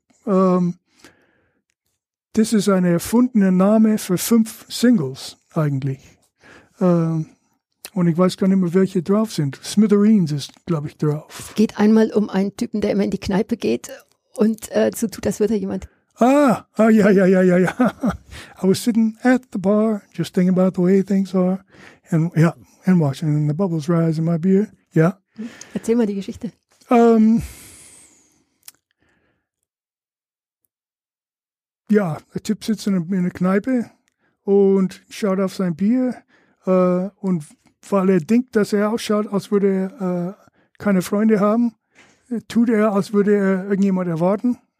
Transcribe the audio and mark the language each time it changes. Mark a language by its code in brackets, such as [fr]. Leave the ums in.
[de] Ähm, das ist ein erfundener Name für fünf Singles eigentlich. Ähm, und ich weiß gar nicht mehr, welche drauf sind. Smithereens ist, glaube ich, drauf. Geht einmal um einen Typen, der immer in die Kneipe geht und äh, so tut, als würde er jemand Ah, ah, ja, ja, ja, ja, ja. [en] I was sitting at the bar, just thinking about the way things are, and yeah, and watching the bubbles rise in my beer. Yeah. [de] Erzähl mal die Geschichte. Ähm, ja, der Typ sitzt in einer Kneipe und schaut auf sein Bier. Äh, und weil er denkt, dass er ausschaut, als würde er äh, keine Freunde haben, äh, tut er, als würde er irgendjemand erwarten.